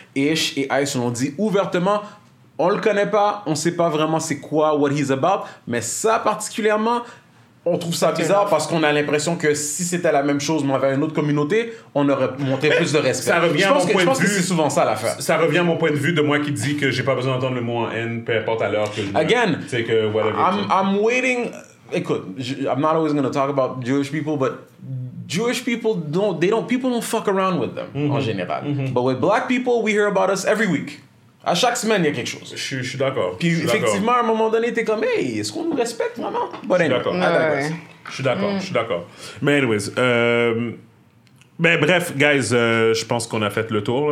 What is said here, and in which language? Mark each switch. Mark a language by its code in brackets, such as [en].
[fr] Ish et Ice l'ont dit ouvertement, on le connaît pas, on sait pas vraiment c'est quoi, [en] what he's about, [fr] mais ça particulièrement, on trouve ça bizarre parce qu'on a l'impression que si c'était la même chose mais avec une autre communauté, on aurait monté plus de respect. Ça revient à mon point de vue. Je pense que c'est souvent ça l'affaire. Ça revient à mon point de vue de moi qui dis que j'ai pas besoin d'entendre le mot en haine, peu importe à l'heure que je. [en] Again, [fr] c'est que whatever. [en] I'm waiting. Écoute, I'm not always going to talk about Jewish people, but Jewish people don't fuck around with them, mm-hmm. [fr] en général. Mm-hmm. [en] But with black people, we hear about us every week. [fr] À chaque semaine, il y a quelque chose. Je suis d'accord. Puis effectivement, à un moment donné, t'es comme, hey, est-ce qu'on nous respecte vraiment? But je suis d'accord. Ouais. Je suis d'accord, je suis d'accord. Mais anyways, mais bref, guys, je pense qu'on a fait le tour.